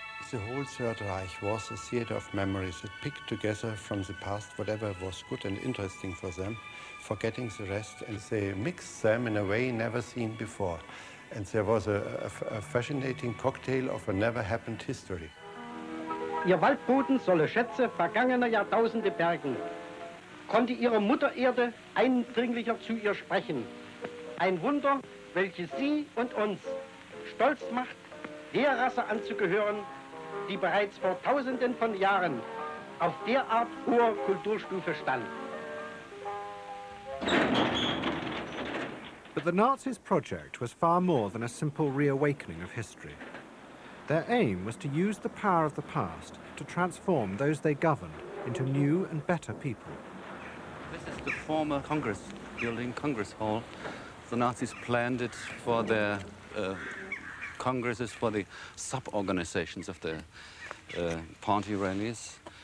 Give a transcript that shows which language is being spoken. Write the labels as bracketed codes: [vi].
[en] The whole Third Reich was a theater of memories. It picked together from the past whatever was good and interesting for them, forgetting the rest, and they mixed them in a way never seen before. And there was a fascinating cocktail of a never-happened history. [de] Ihr Waldboden solle Schätze vergangener Jahrtausende bergen. Konnte ihre Mutter Erde eindringlicher zu ihr sprechen. Ein Wunder, welches sie und uns stolz macht, der Rasse anzugehören, die bereits vor tausenden von Jahren auf derart hoher Kulturstufe stand. [en] But the Nazis' project was far more than a simple reawakening of history. Their aim was to use the power of the past to transform those they governed into new and better people. This is the former Congress building, Congress Hall. The Nazis planned it for their congresses, for the sub-organizations of the party rallies.